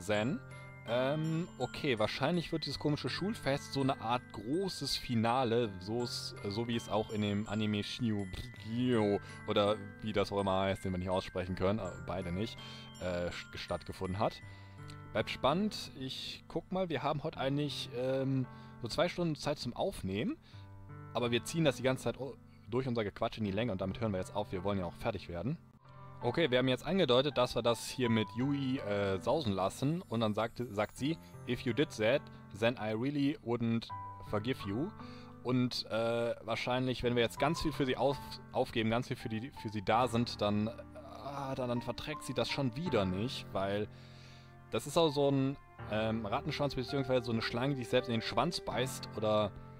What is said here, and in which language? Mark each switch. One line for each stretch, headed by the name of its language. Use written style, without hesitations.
German: Then, okay, wahrscheinlich wird dieses komische Schulfest so eine Art großes Finale, so wie es auch in dem Anime Shinyo, oder wie das auch immer heißt, den wir nicht aussprechen können, beide nicht, stattgefunden hat. Bleibt spannend. Ich guck mal, wir haben heute eigentlich so 2 Stunden Zeit zum Aufnehmen. Aber wir ziehen das die ganze Zeit durch unser Gequatsch in die Länge und damit hören wir jetzt auf. Wir wollen ja auch fertig werden. Okay, wir haben jetzt angedeutet, dass wir das hier mit Yui sausen lassen. Und dann sagt sie,
English: if you did that, then I really wouldn't forgive you.
German: Und wahrscheinlich, wenn wir jetzt ganz viel für sie aufgeben, ganz viel für sie da sind, dann verträgt sie das schon wieder nicht. Weil das ist auch so ein Rattenschwanz, beziehungsweise so eine Schlange, die sich selbst in den Schwanz beißt oder...